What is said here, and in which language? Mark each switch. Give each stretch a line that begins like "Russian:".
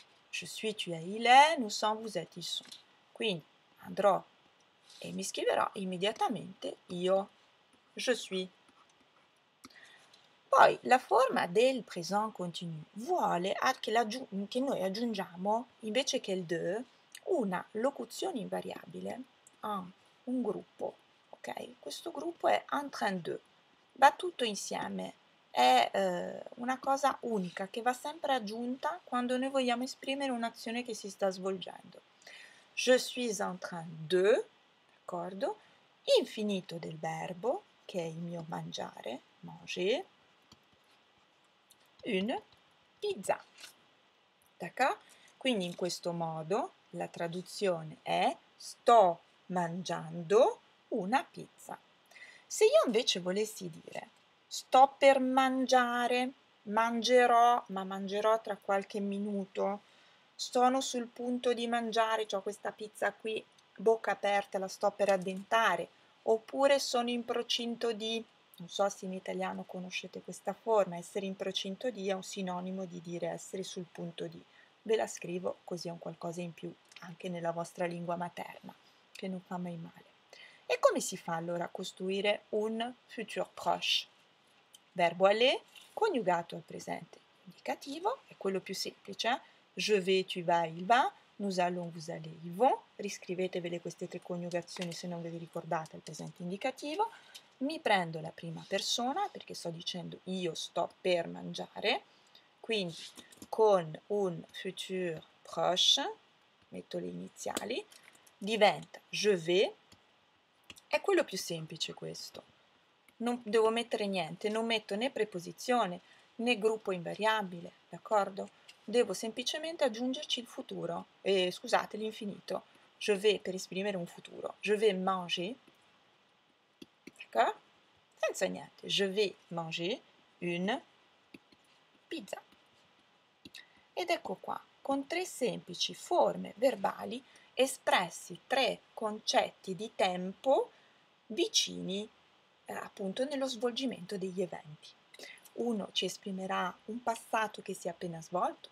French: Je suis, tu es, il est, nous sommes, vous êtes, ils sont.
Italian: Quindi andrò e mi scriverò immediatamente io.
French: Je suis.
Italian: Poi la forma del présent continu vuole che noi aggiungiamo, invece che il de, una locuzione invariabile a un gruppo. Ok? Questo gruppo è
French: en train de.
Italian: Va tutto insieme, è una cosa unica che va sempre aggiunta quando noi vogliamo esprimere un'azione che si sta svolgendo.
French: Je suis en train de,
Italian: d'accordo? Infinito del verbo, che è il mio mangiare,
French: manger, une pizza.
Italian: D'accordo? Quindi in questo modo la traduzione è sto mangiando una pizza. Se io invece volessi dire sto per mangiare, mangerò, ma mangerò tra qualche minuto, sono sul punto di mangiare, cioè questa pizza qui, bocca aperta, la sto per addentare, oppure sono in procinto di, non so se in italiano conoscete questa forma, essere in procinto di è un sinonimo di dire essere sul punto di. Ve la scrivo così è un qualcosa in più anche nella vostra lingua materna, che non fa mai male. E come si fa allora a costruire un futur proche? Verbo aller, coniugato al presente indicativo, è quello più semplice.
French: Je vais, tu vas, il va, nous allons, vous allez, ils vont.
Italian: Riscrivetevele queste tre coniugazioni se non ve le ricordate al presente indicativo. Mi prendo la prima persona perché sto dicendo io sto per mangiare. Quindi con un futur proche, metto le iniziali, diventa
French: je vais.
Italian: È quello più semplice questo. Non devo mettere niente, non metto né preposizione né gruppo invariabile, d'accordo? Devo semplicemente aggiungerci il futuro, scusate, l'infinito.
French: Je vais
Italian: per esprimere un futuro.
French: Je vais manger,
Italian: d'accordo? Senza niente.
French: Je vais manger une pizza.
Italian: Ed ecco qua, con tre semplici forme verbali espressi tre concetti di tempo vicini appunto nello svolgimento degli eventi. Uno ci esprimerà un passato che si è appena svolto.